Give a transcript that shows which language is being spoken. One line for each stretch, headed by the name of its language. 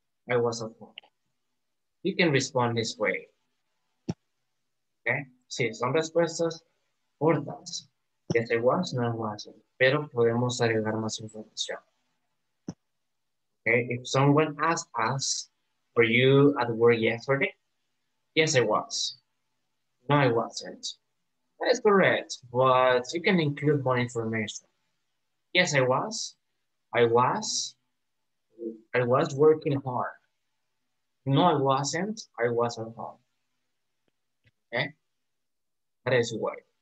English: I was at home. You can respond this way.
Spanish: ¿Okay? Sí, son respuestas cortas. Este was no es más, pero podemos agregar más información. ¿Okay?
English: If someone asks us, were you at work yesterday? Yes, I was. No, I wasn't. That is correct, but you can include more information. Yes, I was. I was working hard. No, I wasn't. I was at home. Okay? That is why.